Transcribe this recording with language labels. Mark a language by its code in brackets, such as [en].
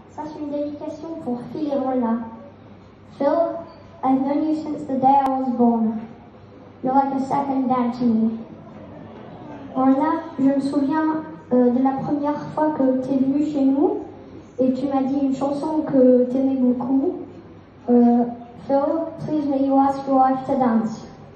[en] That's [fr] une dédication pour Phil et Brunna. [en] Phil, I've known you since the day I was born. You're like a second dad to me. [fr] Brunna, je me souviens de la première fois que tu es venue chez nous et tu m'as dit une chanson que tu aimais beaucoup. [en] Phil, please may you ask your wife to dance.